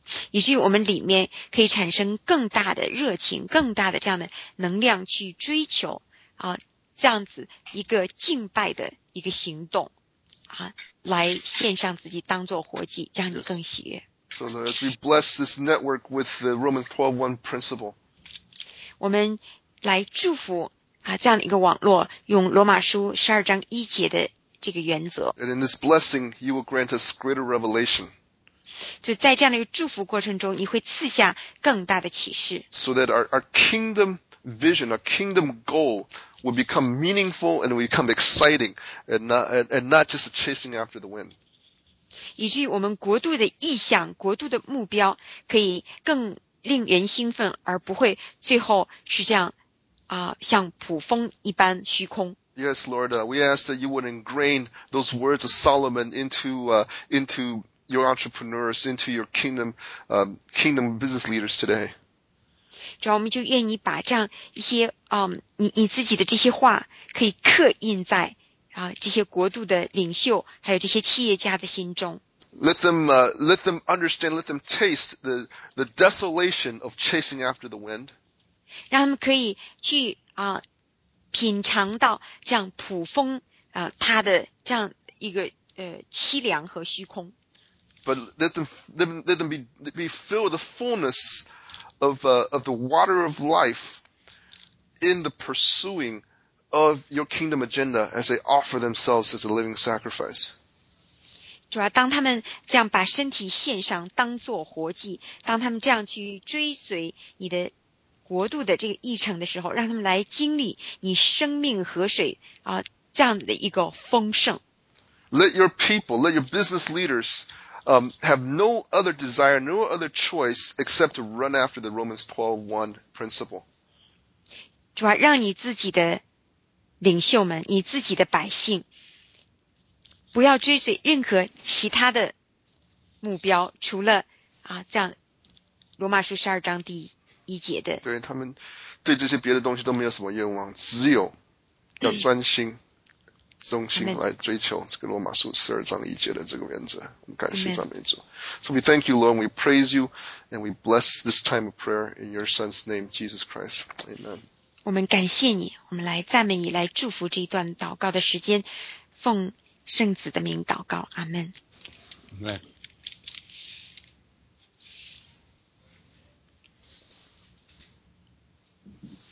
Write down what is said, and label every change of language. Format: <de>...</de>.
<zh>以至于我们里面可以产生更大的热情，更大的这样的能量去追求啊，这样子一个敬拜的一个行动啊，来献上自己当做活祭，让你更喜悦。</zh> <en>So Lord, as we bless this network with the Romans 12:1 principle,</en> <zh>我们来祝福啊这样的一个网络，用罗马书十二章一节的这个原则。</zh> <en>And in this blessing, you will grant us greater revelation.</en> <zh>就在这样的一个祝福过程中，你会赐下更大的启示。</zh> <en>So that our kingdom vision, our kingdom goal will become meaningful and will become exciting, and not just chasing after the wind.</en> <zh>以至于我们国度的意向、国度的目标可以更令人兴奋，而不会最后是这样啊，像捕风一般虚空。</zh> <en>Yes, Lord, we ask that you would ingrain those words of Solomon into your entrepreneurs, into your kingdom, kingdom business leaders today.</en> <zh>主要我们就愿你把这样一些你自己的这些话可以刻印在这些国度的领袖还有这些企业家的心中。</zh> <en>Let them understand, let them taste the desolation of chasing after the wind.</en> <zh>让他们可以去品尝到这样捕风它的这样一个凄凉和虚空。</zh> <en>But let them be filled with the fullness of the water of life in the pursuing of your kingdom agenda as they offer themselves as a living sacrifice.</en> <zh>主啊，当他们这样把身体献上当做活祭，当他们这样去追随你的国度的这个议程的时候，让他们来经历你生命河水这样的一个丰盛。</zh> <en>Let your people, let your business leaders,have no other desire, no other choice except to run after the Romans 12:1 principle.</en> <zh>主啊，让你自己的领袖们，你自己的百姓，不要追随任何其他的目标，除了这样罗马书十二章第一节的。对，他们对这些别的东西都没有什么愿望，只有要专心。中心来追求这个罗马书十二章一节的这个原则，感谢赞美主。</zh> <en>So we thank you, Lord, we praise you, and we bless this time of prayer in your Son's name, Jesus Christ. Amen.</en> <zh>我们感谢你，我们来赞美你，来祝福这一段祷告的时间，奉圣子的名祷告，阿门。</zh> <en>Amen. Amen.</en>